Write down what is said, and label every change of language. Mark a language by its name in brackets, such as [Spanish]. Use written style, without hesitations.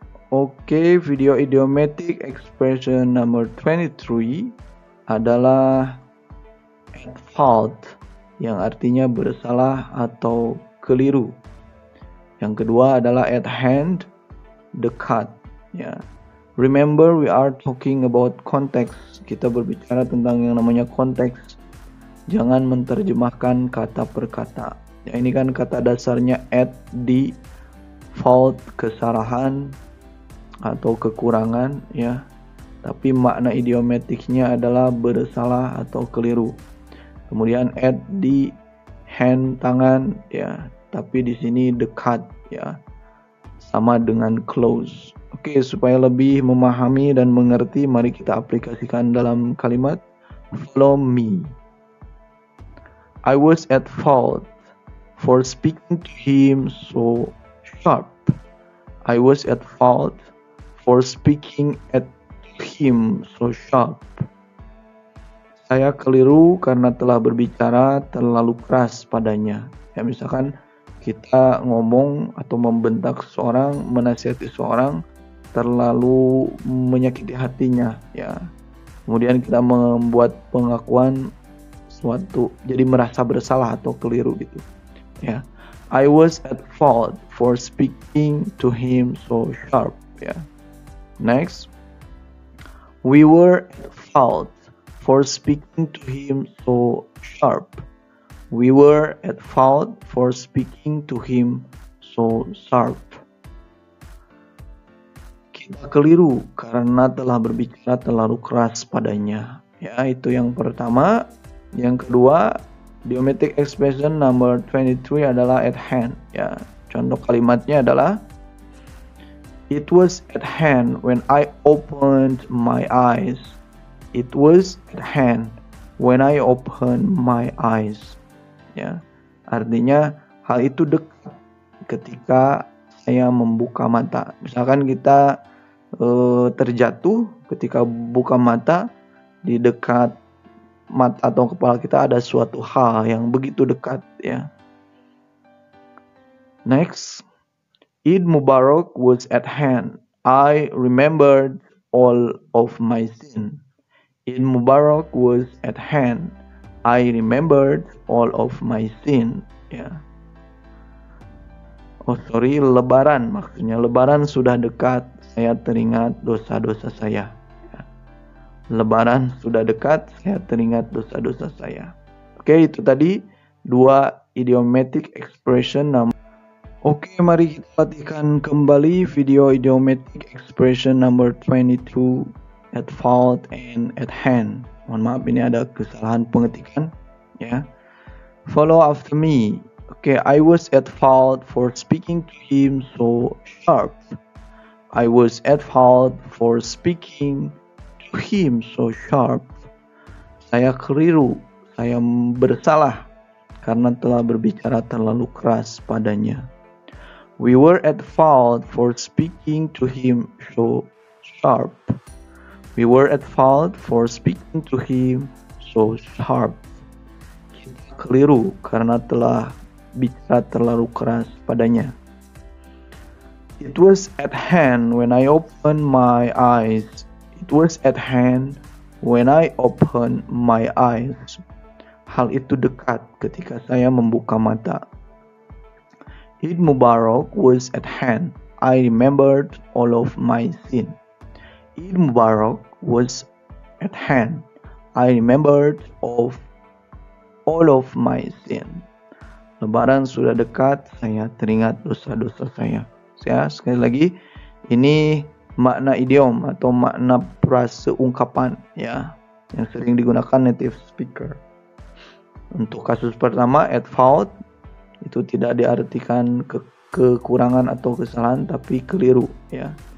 [Indonesian] Oke, video idiomatic expression number 23 adalah at fault, yang artinya bersalah atau keliru. Yang kedua adalah at hand, dekat ya. [English] Remember, we are talking about context. [Indonesian] Kita berbicara tentang yang namanya konteks. Jangan menerjemahkan kata per kata. Ya, ini kan kata dasarnya at, di, fault, kesalahan atau kekurangan ya. Tapi makna idiomatiknya adalah bersalah atau keliru. Kemudian at, di, hand, tangan ya. Tapi di sini dekat ya. Sama dengan close. Oke, supaya lebih memahami dan mengerti, mari kita aplikasikan dalam kalimat. [English] Follow me. I was at fault for speaking to him so sharp. I was at fault for speaking at him so sharp. [Indonesian] Saya keliru karena telah berbicara terlalu keras padanya. Ya, misalkan kita ngomong atau membentak seorang, menasihati seorang terlalu menyakiti hatinya ya. Kemudian kita membuat pengakuan suatu, jadi merasa bersalah atau keliru gitu ya. [English] I was at fault for speaking to him so sharp ya. Next, we were at fault for speaking to him so sharp. We were at fault for speaking to him so sharp. [Indonesian] Kita keliru karena telah berbicara terlalu keras padanya. Ya, itu yang pertama. Yang kedua, idiomatic expression number 23 adalah at hand. Ya, contoh kalimatnya adalah [English] it was at hand when I opened my eyes. It was at hand when I opened my eyes. [Indonesian] Ya, artinya hal itu dekat ketika saya membuka mata. Misalkan kita terjatuh, ketika buka mata di dekat mata atau kepala kita ada suatu hal yang begitu dekat ya. [English] Next, Eid Mubarak was at hand. I remembered all of my sin. Eid Mubarak was at hand. I remembered all of my sin ya. [Indonesian] Oh sorry, Lebaran maksudnya. Lebaran sudah dekat, saya teringat dosa-dosa saya. Lebaran sudah dekat, saya teringat dosa-dosa saya. Oke, itu tadi dua idiomatic expression. Oke, mari kita latihkan kembali video idiomatic expression number 22. [English] At fault and at hand. [Indonesian] Mohon maaf, ini ada kesalahan pengetikan. [English] Ya. Follow after me. Oke, I was at fault for speaking to him so sharp. I was at fault for speaking to him so sharp. [Indonesian] Saya keliru, saya bersalah karena telah berbicara terlalu keras padanya. [English] We were at fault for speaking to him so sharp. We were at fault for speaking to him so sharp. [Indonesian] Kita keliru karena telah bicara terlalu keras padanya. [English] It was at hand when I opened my eyes. It was at hand when I opened my eyes. [Indonesian] Hal itu dekat ketika saya membuka mata. [English] Eid Mubarak was at hand. I remembered all of my sin. Eid Mubarak was at hand. I remembered of all of my sin. [Indonesian] Lebaran sudah dekat, saya teringat dosa-dosa saya. Ya, sekali lagi, ini makna idiom atau makna frase ungkapan ya. yang sering digunakan native speaker. Untuk kasus pertama, at fault, itu tidak diartikan kekurangan atau kesalahan, tapi keliru, ya.